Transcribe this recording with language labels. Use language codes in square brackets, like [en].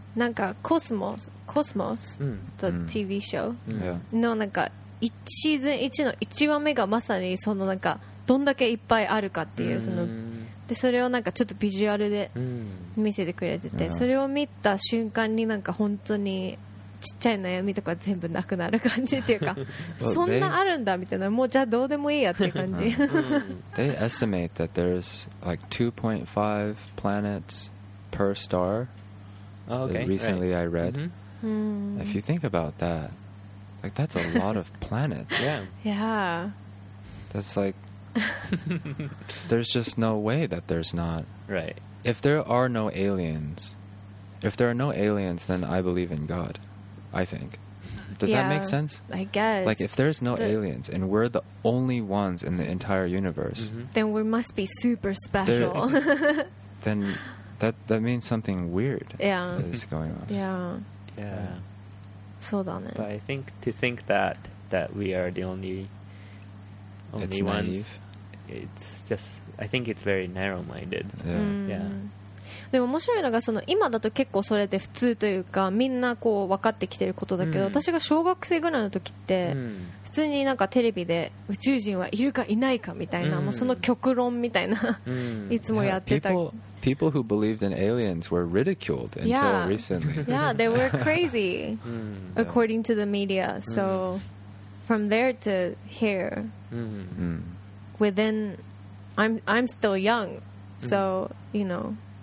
[ja] なんかコスモス [en] the TV show [ja] のなんか1シーズン1の1話目がまさにそのなんかどんだけいっぱいあるかっていう、そのでそれをなんかちょっとビジュアルで見せてくれてて、それを見た瞬間になんか本当にちっちゃい悩みとか全部なくなる感じっていうか、そんなあるんだみたいな、もうじゃあどうでもいいやっていう感じ。 [en] They estimate that there's like 2.5 planets per star Oh, okay. Recently, right. I read. If you think about that, like that's a lot of planets. Yeah. That's like, there's just no way that there's not. Right. If there are no aliens, then I believe in God. I think. Does that make sense? I guess. Like, if there's no aliens and we're the only ones in the entire universe, then we must be super special. Then that means something weird is going on. Yeah. [ja] そうだね。 [en] But I think to think that we are the only it's ones, naive. It's just, I think it's very narrow-minded. Yeah. [ja] でも面白いのがその今だと結構それって普通というかみんなこう分かってきてることだけど、私が小学生ぐらいの時って普通になんかテレビで宇宙人はいるかいないかみたいな、もうその極論みたいないつもやってた。 [en] People who believed in aliens were ridiculed until recently. Yeah, they were crazy according to the media. So from there to here, within, I'm still young, so you know.